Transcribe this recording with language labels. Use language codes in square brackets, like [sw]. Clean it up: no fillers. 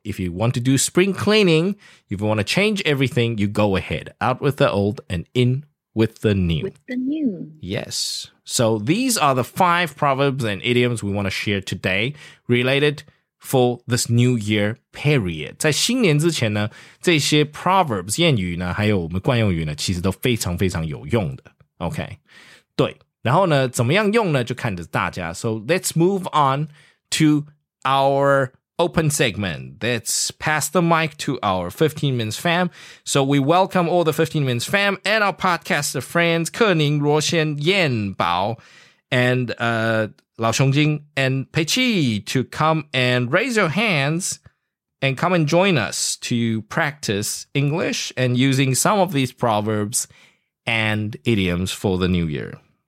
[en] If you want to do spring cleaning, if you want to change everything, you go ahead. Out with the old and in with the new. With the new. Yes. So these are the five proverbs and idioms we want to share today related for this new year period. [zh] 在新年之前呢，这些 proverbs 谚语呢，还有我们惯用语呢，其实都非常非常有用的。 OK， 对，然后呢，怎么样用呢，就看着大家。 [en] So let's move on to our open segment. Let's pass the mic to our 15 Minutes fam. So we welcome all the 15 Minutes fam and our podcaster friends, Ke Ning, Ruo Xian, Yan Bao, and Lao Xiongjing and Pei Qi to come and raise your hands and come and join us to practice English and using some of these proverbs and idioms for the new year.